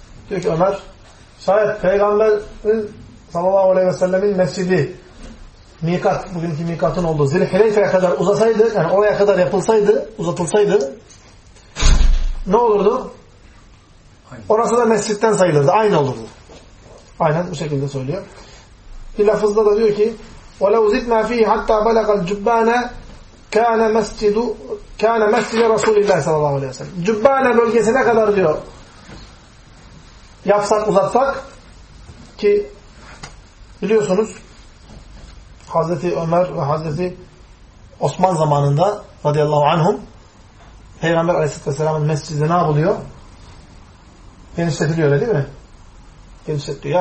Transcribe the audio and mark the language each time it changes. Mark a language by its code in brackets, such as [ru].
[tr] Diyor ki Ömer, şayet Peygamber'in sallallahu aleyhi ve sellemin mescidi mikat, bugünkü mikatın olduğu zilhileyfe'ye kadar uzasaydı, yani oraya kadar yapılsaydı, uzatılsaydı ne olurdu? Aynen. Orası da mescitten sayılırdı. Aynı olurdu. Aynen bu şekilde söylüyor. Bir lafızda da diyor ki, [ar] وَلَوْ زِدْنَا فِيهِ حَتَّى بَلَقَ الْجُبَّانَ كَانَ مَسْجِدُ كَانَ مَسْجِدَ رَسُولِ اللّٰهِ sallallahu aleyhi ve sellem. [tr] Cübbane bölgesine kadar diyor yapsak uzatsak, ki biliyorsunuz Hazreti Ömer ve Hazreti Osman zamanında radıyallahu anhum Peygamber aleyhisselatü vesselamın mescidi ne yapılıyor? Genişletiliyor, değil mi? Genişletiliyor.